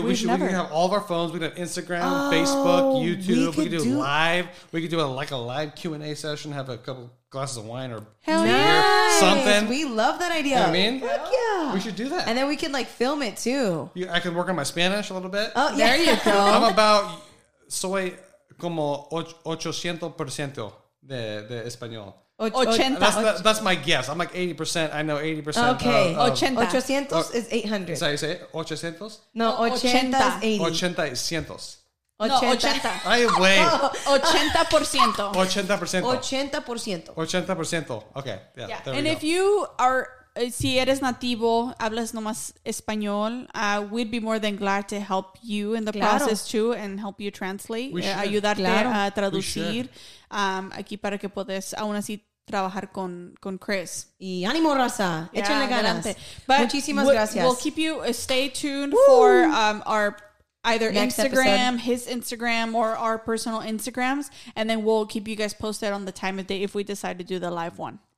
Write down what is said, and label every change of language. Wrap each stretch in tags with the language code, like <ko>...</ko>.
<en>We can have all of our phones. We can have Instagram, Facebook, YouTube. We could do live. We could do a live Q&A session. Have a couple glasses of wine or hell beer. Yeah. Nice. Something. We love that idea. You know what I mean? Heck yeah. We should do that. And then we can like film it too. Yeah, I can work on my Spanish a little bit. Oh, yeah. There you go. I'm about, soy como 800% de español. That's my guess. I'm like 80%. I know 80%. Okay. 800 is 800. Is that how you say it? 800? No, 80 is 80. 80 is 100. No, 80. Ay, güey. 80%. 80%. 80%. 80%. Okay. Yeah. If you are, si eres nativo, hablas nomás español, we'd be more than glad to help you in the process too and help you translate.</en> <es>Ayudarte a traducir. Aquí para que puedas, aún así, trabajar con Chris. Y ánimo, raza. Échenle ganas. Muchísimas gracias.</es> <en>We'll keep you, stay tuned for our either next Instagram, episode. His Instagram, or our personal Instagrams. And then we'll keep you guys posted on the time of day if we decide to do the live one.</en>